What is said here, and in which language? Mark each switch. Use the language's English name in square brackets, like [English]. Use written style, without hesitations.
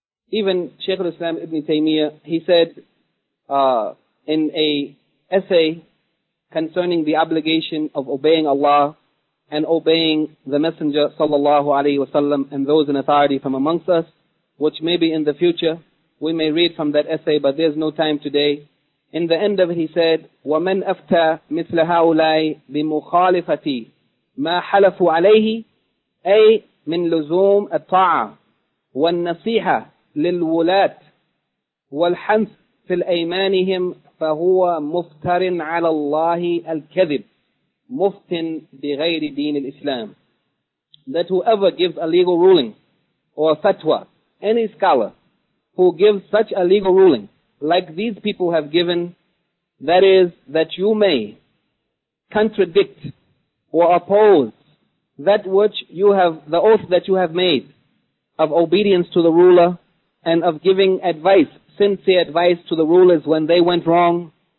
[English] Even Shaykh al-Islam Ibn Taymiyyah, he said in a essay concerning the obligation of obeying Allah and obeying the Messenger sallallahu alaihi wasallam and those in authority from amongst us, which maybe in the future we may read from that essay, but there's no time today. In the end of it, he said, [Arabic] وَمَنْ أَفْتَى مِثْلَ هَؤُلَاءِ بِمُخَالِفَتِي مَا حَلَفُوا عَلَيْهِ أي من لزوم الطاعة والنصيحة للولاة والحنث في الأيمانهم فهو مفتر على الله الكذب مفتن بغير دين الإسلام. [English] That whoever gives a legal ruling or a fatwa, any scholar who gives such a legal ruling like these people have given, That is, that you may contradict or oppose that which you have, the oath that you have made of obedience to the ruler and of giving advice, sincere advice to the rulers when they went wrong.